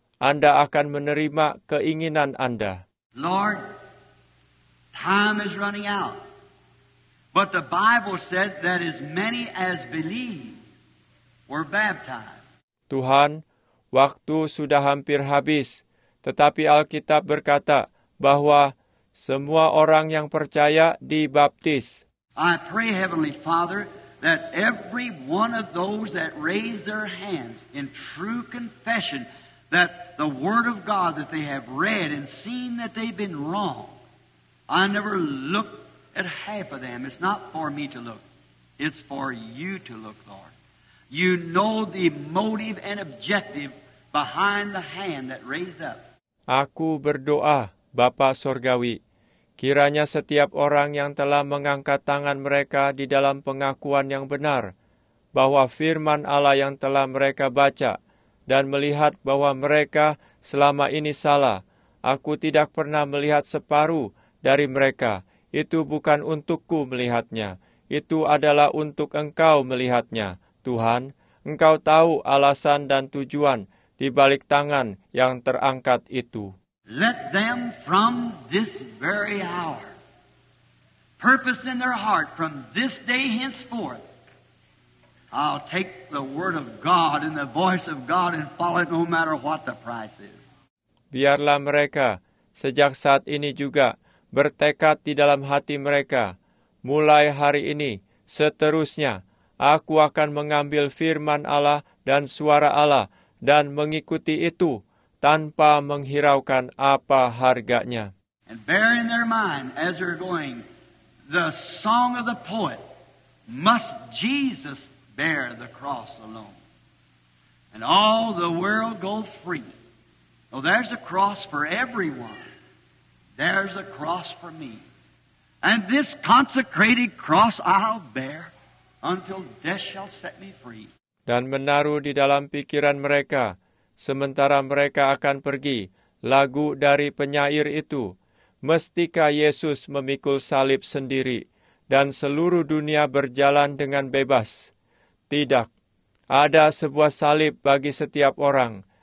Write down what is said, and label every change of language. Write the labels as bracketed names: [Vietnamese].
[Indonesian] Anda akan menerima keinginan Anda. [English] Lord, time is running out. But the Bible said that as many as believe were baptized. [Indonesian] Tuhan, waktu sudah hampir habis, tetapi Alkitab berkata bahwa semua orang yang percaya dibaptis. [English] I pray, Heavenly Father, that every one of those that raise their hands in true confession, that the Word of God that they have read and seen that they've been wrong, I never look at half of them. It's not for me to look. It's for you to look, Lord. You know the motive and objective behind the hand that raised up. [Indonesian] Aku berdoa, Bapa Sorgawi, kiranya setiap orang yang telah mengangkat tangan mereka di dalam pengakuan yang benar, bahwa firman Allah yang telah mereka baca dan melihat bahwa mereka selama ini salah, aku tidak pernah melihat separuh dari mereka, itu bukan untukku melihatnya, itu adalah untuk Engkau melihatnya. Tuhan, Engkau tahu alasan dan tujuan di balik tangan yang terangkat itu. [English] Let them from this very hour purpose in their heart from this day henceforth, I'll take the word of God and the voice of God and follow it no matter what the price is. [Indonesian] Biarlah mereka sejak saat ini juga bertekad di dalam hati mereka, mulai hari ini seterusnya aku akan mengambil firman Allah dan suara Allah dan mengikuti itu tanpa menghiraukan apa harganya. [English] And bear in their mind as they're going, the song of the poet, must Jesus bear the cross alone? And all the world go free. Oh, there's a cross for everyone. There's a cross for me. And this consecrated cross I'll bear until death shall set me free. [Indonesian] Dan menaruh di dalam pikiran mereka, sementara mereka akan pergi, lagu dari penyair itu, mestikah Yesus memikul salib sendiri dan seluruh dunia berjalan dengan bebas? Tidak. Ada sebuah salib bagi setiap orang.